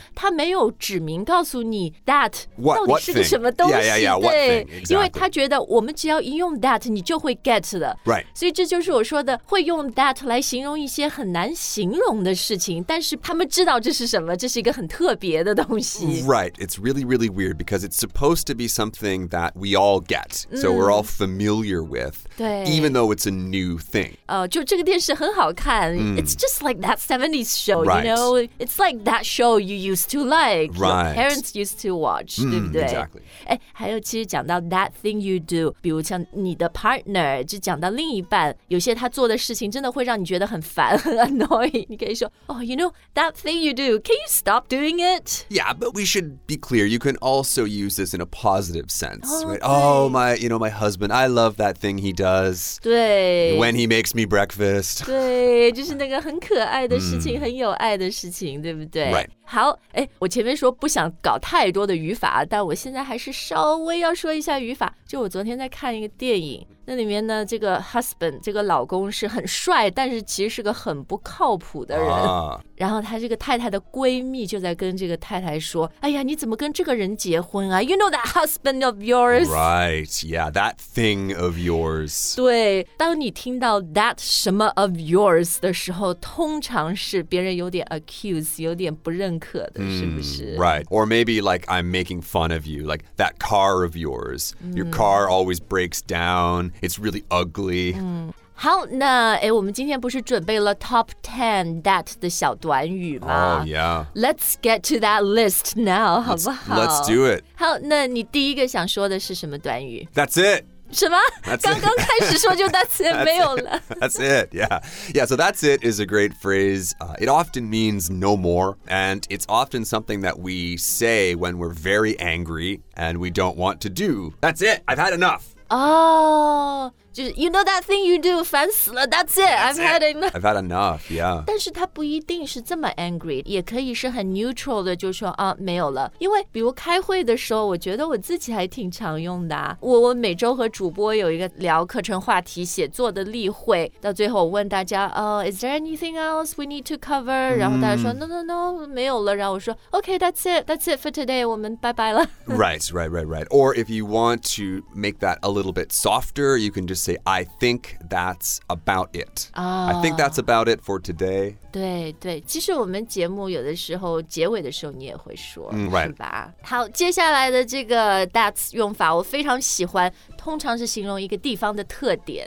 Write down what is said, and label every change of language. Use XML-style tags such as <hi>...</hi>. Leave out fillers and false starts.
<zh>它没有指明告诉你 that 到底是个什么东西。</zh> <en>Yeah, what thing, exactly.</en> <zh>因为他觉得我们只要一用 that, 你就会 get 的。</zh> <en>Right.</en> <zh>所以这就是我说的会用 that 来形容一些很难形容的事情但是他们知道这是什么这是一个很特别的东西</zh> <en>Right, it's really, really weird because it's supposed to be something that we all get, so we're all familiar with, even though it's a new thing.</en> <zh>就这个电视很好看</zh> <en>It's just like that 70s show, you know? It's like that show you used to like, your parents used to watch,</en> <zh>对不对</zh> <en>Exactly.</en> <zh>还有其实讲到</zh> <en>that thing you do,</en> <zh>比如像你的 partner, 就讲到另一半有些他做的事情情真的会让你觉得很烦很</zh> <en>annoying,</en> <zh>你可以说</zh> <en>Oh, you know, that thing you do, can you stop doing it? Yeah, but we should be clear, you can also use this in a positive sense. Oh, right? Oh my, you know, my husband, I love that thing he does.</en> <zh>对</zh> <en>When he makes me breakfast.</en> <zh>对就是那个很可爱的事情、mm. 很有爱的事情对不对</zh> <en>Right.</en> <zh>好我前面说不想搞太多的语法但我现在还是稍微要说一下语法就我昨天在看一个电影那里面呢这个 husband 这个老公是很帅但是其实是个很不靠谱的人、然后他这个太太的闺蜜就在跟这个太太说哎呀你怎么跟这个人结婚啊</zh> <en>You know that husband of yours Right, yeah, that thing of yours</en> <zh>对当你听到 that 什么 of yours 的时候通常是别人有点 accuse 有点不认认可的 mm, 是不是</zh> <en>Right. Or maybe like I'm making fun of you, like that car of yours. Your car always breaks down. It's really ugly.</en> <zh>好那我们今天不是准备了 top 10 that 的小短语吗</zh> <en>Oh, yeah. Let's get to that list now,</en> <zh>好不好</zh> <en>Let's do it.</en> <zh>好那你第一个想说的是什么短语</zh> <en>That's it.</en> <zh>什么刚刚开始说就 that's it, 没有了</zh> <en>That's it, yeah. Yeah, so that's it is a great phrase. It often means no more, and it's often something that we say when we're very angry and we don't want to do. That's it, I've had enough. Oh, just, you know that thing you do,</en> <zh>烦死了</zh> <en>that's it, that's I've had enough. I've had enough, yeah.</en> <zh>但是它不一定是这么 angry, 也可以是很 neutral 的就说啊没有了。因为比如开会的时候我觉得我自己还挺常用的、我每周和主播有一个聊课程话题写作的例会到最后我问大家、</zh> <en>oh, is there anything else we need to cover?、</en> <zh>然后大家说 no, 没有了。然后我说</zh> <en>okay, that's it for today,</en> <zh>我们拜拜了。</zh> <en>Right. Or if you want to make that a little bit softer, you can just say, I think that's about it.、I think that's about it for today.</en> <zh>对对其实我们节目有的时候结尾的时候你也会说、</zh> <en>right.</en> <zh>是吧好接下来的这个 that's 用法我非常喜欢通常是形容一个地方的特点</zh>